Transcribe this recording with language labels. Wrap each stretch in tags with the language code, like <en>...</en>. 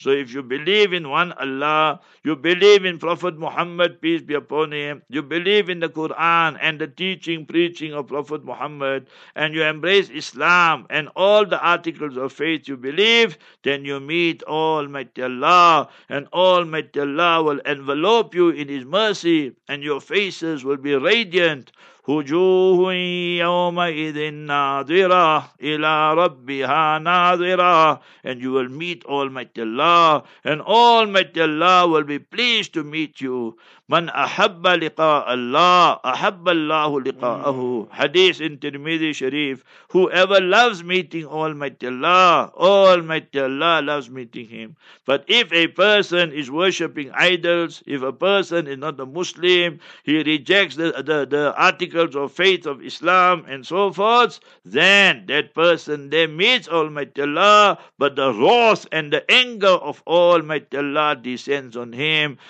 <en>So if you believe in one Allah, you believe in Prophet Muhammad, peace be upon him, you believe in the Quran and the teaching, preaching of Prophet Muhammad, and you embrace Islam and all the articles of faith you believe, then you meet Almighty Allah, and Almighty Allah will envelop you in his mercy, and your faces will be radiant</en> <ar>وجوه يومئذ ناظرة إلى ربها ناظرة.</ar> <en>And you will meet Almighty Allah, and Almighty Allah will be pleased to meet you.</en> <ar>من أحب لقاء الله أحب الله لقاءه.</ar> <en>Hadith in Tirmidhi Sharif, whoever loves meeting Almighty Allah, Almighty Allah loves meeting him. But if a person is worshipping idols, if a person is not a Muslim, he rejects the articles of faith of Islam and so forth, then that person there meets Almighty Allah, but the wrath and the anger of Almighty Allah descends on him.</en>